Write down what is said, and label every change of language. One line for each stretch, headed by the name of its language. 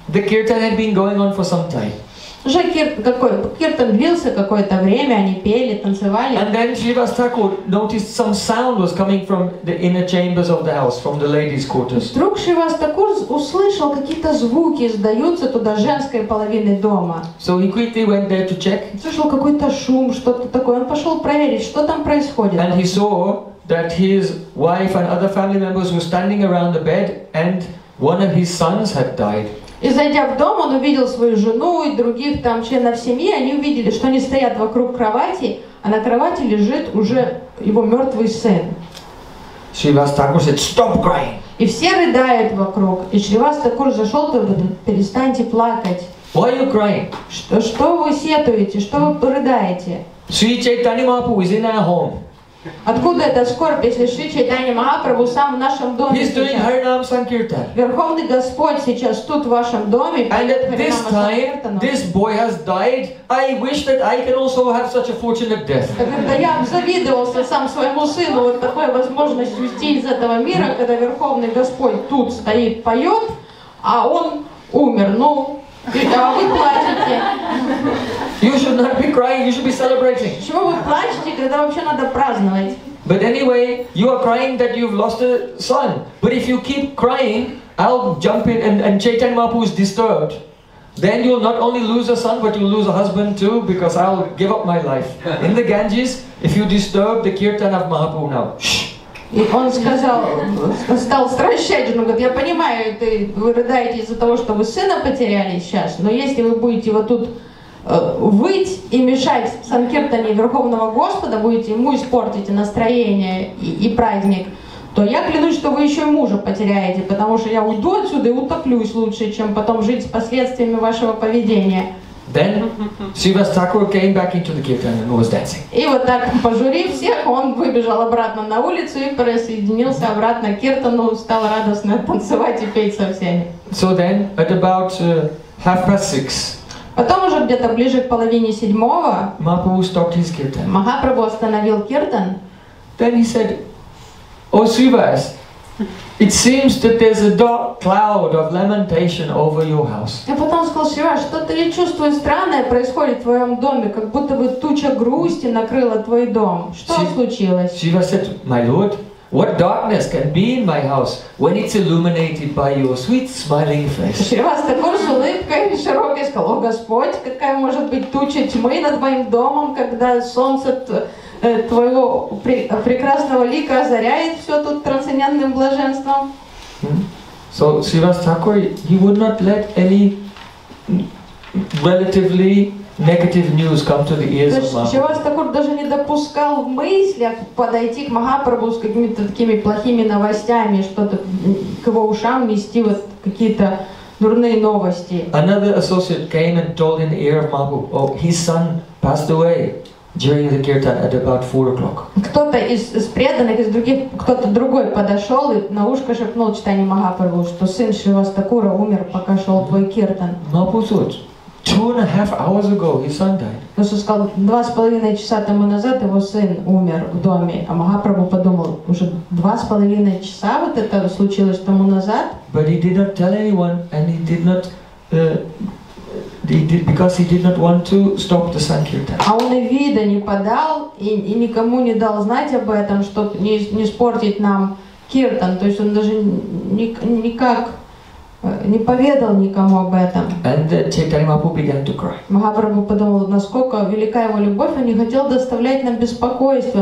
English: The kirtan had been going on for some time.
Russian: Уже киртан длился какое-то время, они пели, танцевали.
English: And then Shrivas Thakur noticed some sound was coming from the inner chambers of the house, from the ladies' quarters.
Russian: Вдруг Шривас Такур услышал, какие-то звуки издаются туда женской половины дома.
English: So he quickly went there to check.
Russian: Слышал какой-то шум, что-то такое. Он пошел проверить, что там происходит.
English: And he saw that his wife and other family members were standing around the bed, and one of his sons had died.
Russian: И зайдя в дом, он увидел свою жену и других там членов семьи, они увидели, что они стоят вокруг кровати, а на кровати лежит уже его мертвый сын.
English: Шривас Такур said, stop crying.
Russian: И все рыдают вокруг. И Шривас Такур зашел и говорит, перестаньте плакать.
English: Why are you crying?
Russian: Что вы сетуете? Что вы рыдаете?
English: Шри Чайтани Махапрабху is in our home.
Russian: Откуда эта скорбь, если Шри Чайтанья Махапрабху сам в нашем доме
English: He's
Russian: сейчас?
English: Doing Харинам Санкиртан.
Russian: Верховный Господь сейчас тут в вашем доме.
English: And at this time, this boy has died. I wish that I can also have such a fortunate death.
Russian: Когда я завидовался сам своему сыну вот такой возможностью уйти из этого мира, когда Верховный Господь тут стоит, поет, а он умер, ну, а вы плачете.
English: You should not be crying, you should be celebrating.
Russian: Чего вы плачете, когда вообще надо праздновать?
English: But anyway, you are crying that you've lost a son. But if you keep crying, I'll jump in and Chaitanya Mahaprabhu is disturbed. Then you'll not only lose a son, but you'll lose a husband too, because I'll give up my life. In the Ganges, if you disturb the kirtan of Mahaprabhu now, shh.
Russian: И он сказал, стал стращать жену, говорит, я понимаю, вы рыдаете из-за того, что вы сына потеряли сейчас, но если вы будете вот тут выть и мешать санкиртане Верховного Господа, будете ему испортить настроение и праздник, то я клянусь, что вы еще и мужа потеряете, потому что я уйду отсюда и утоплюсь лучше, чем потом жить с последствиями вашего поведения.
English: Then Shrivas Thakur came back into the kirtan and was dancing.
Russian: И вот так пожурив всех, он выбежал обратно на улицу и присоединился обратно к киртану, стал радостно танцевать и петь со всеми.
English: So then, at about 6:30.
Russian: Потом уже где-то ближе к половине седьмого.
English: Mahaprabhu stopped his kirtan.
Russian: Махапрабху остановил киртан.
English: Then he said, "O Srivas, it seems that there's a dark cloud of lamentation over your house."
Russian: Я потом сказал: "Шива, что-то я чувствую странное происходит в твоем доме, как будто бы туча грусти накрыла твой дом. Что случилось?"
English: Shiva said, "My lord, what darkness can be in my house when it's illuminated by your sweet smiling face?"
Russian: Шива с такой же улыбкой широкой сказал: "О Господь, какая может быть туча тьмы над моим домом, когда солнце твоего прекрасного лика озаряет все тут трансцендентным блаженством."
English: So Shiva Thakur, he would not let any relatively negative news come to the ears of Mahaprabhu.
Russian: Shiva Thakur даже не допускал в мыслях подойти к Махапрабху с какими-то такими плохими новостями, что-то к его ушам нести вот какие-то дурные новости.
English: Another associate came and told in the ear of Mahaprabhu, "Oh, his son passed away during the kirtan at about 4 o'clock."
Russian: Кто-то из преданных, из других, кто-то другой подошел и на ушко шепнул читание Махапрабху, что сын Шривастакура умер, пока шел твой киртан. Махапрабху сказал, 2.5 часа тому назад его сын умер в доме, а Махапрабху подумал, уже 2.5 часа вот это случилось тому назад.
English: But he did not tell anyone, and he did not. Because he did not want to stop the sankirtan.
Russian: А он и вида не подал и никому не дал знать об этом, чтобы не испортить нам киртан. То есть он даже никак не поведал никому об этом.
English: And Chaitanya Mahaprabhu began to cry.
Russian: Махапрабху подумал, насколько велика его любовь, он не хотел доставлять нам беспокойство.